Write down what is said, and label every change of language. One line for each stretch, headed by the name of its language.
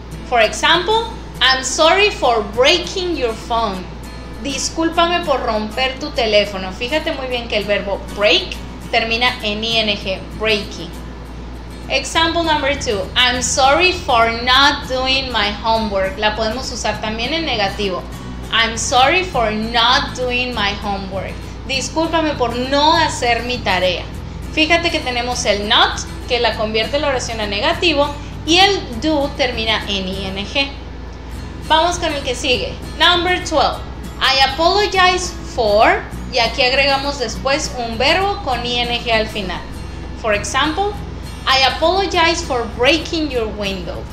English: For example, I'm sorry for breaking your phone.
Spanish: Discúlpame por romper tu teléfono. Fíjate muy bien que el verbo break termina en ing, breaking.
English: Example number two, I'm sorry for not doing my homework.
Spanish: La podemos usar también en negativo.
English: I'm sorry for not doing my homework.
Spanish: Discúlpame por no hacer mi tarea. Fíjate que tenemos el not, que la convierte la oración a negativo, Y el do termina en ing. Vamos con el que sigue.
English: Number 12. I apologize for.
Spanish: Y aquí agregamos después un verbo con ing al final.
English: For example, I apologize for breaking your window.